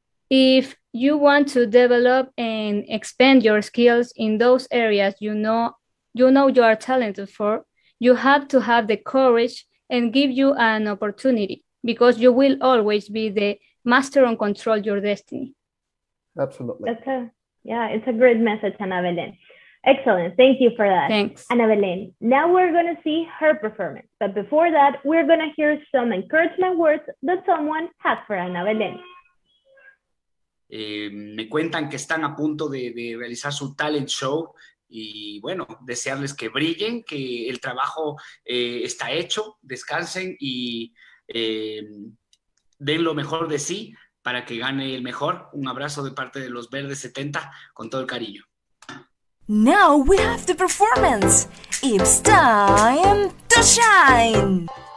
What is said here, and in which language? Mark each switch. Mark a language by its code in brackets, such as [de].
[en] If you want to develop and expand your skills in those areas you know you are talented for, you have to have the courage and give you an opportunity, because you will always be the master and control your destiny. Absolutely. It's a great message, Ana Belén. Excellent, thank you for that. Thanks. Ana Belén, now we're gonna see her performance, but before that, we're gonna hear some encouragement words that someone has for Ana Belén. [es] Me cuentan que están a punto de realizar su talent show, y bueno, desearles que brillen, que el trabajo está hecho, descansen y den lo mejor de sí para que gane el mejor. Un abrazo de parte de los Verdes 70 con todo el cariño. [en] Now we have the performance. It's time to shine.